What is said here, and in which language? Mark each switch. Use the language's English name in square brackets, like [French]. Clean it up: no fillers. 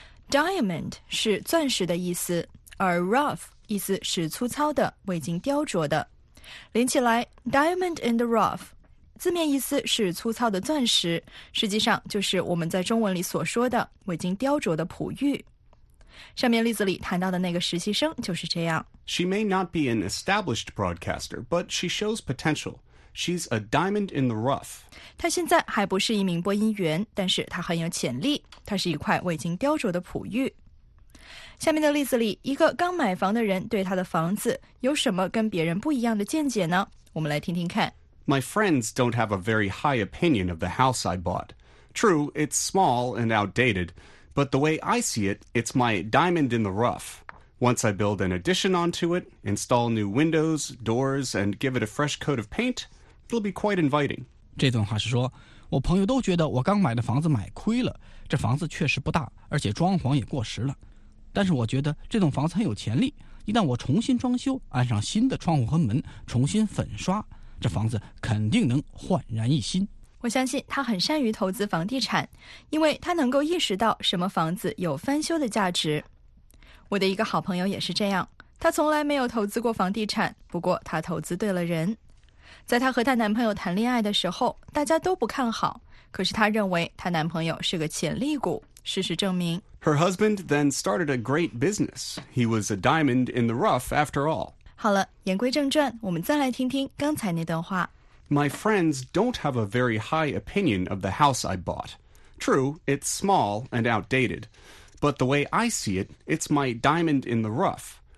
[Chinese] Diamond 是钻石的意思，而 rough 意思是粗糙的，未经雕琢的。连起来 ,diamond in the rough, 字面意思是粗糙的钻石，实际上就是我们在中文里所说的未经雕琢的璞玉。上面例子里谈到的那个实习生就是这样。 [English] She may not be an established broadcaster, but she shows potential. She's a diamond in the rough. [Chinese] 她现在还不是一名播音员，但是她很有潜力，她是一块未经雕琢的璞玉。下面的例子里，一个刚买房的人对他的房子有什么跟别人不一样的见解呢？我们来听听看。 [English] My friends don't have a very high opinion of the house I bought. True, it's small and outdated, but the way I see it, it's my diamond in the rough. Once I build an addition onto it, install new windows, doors, and give it a fresh coat of paint, it'll be quite inviting. [Chinese] 这段话是说，我朋友都觉得我刚买的房子买亏了，这房子确实不大，而且装潢也过时了。但是我觉得这栋房子很有潜力，一旦我重新装修，安上新的窗户和门，重新粉刷，这房子肯定能焕然一新。我相信他很善于投资房地产，因为他能够意识到什么房子有翻修的价值。我的一个好朋友也是这样，他从来没有投资过房地产，不过他投资对了人。在他和他男朋友谈恋爱的时候，大家都不看好，可是他认为他男朋友是个潜力股。事实证明， [English] Her husband then started a great business. He was a diamond in the rough after all. [Chinese] 好了，言归正传，我们再来听听刚才那段话。 [English] My friends don't have a very high opinion of the house I bought. True, it's small and outdated. But the way I see it, it's my diamond in the rough.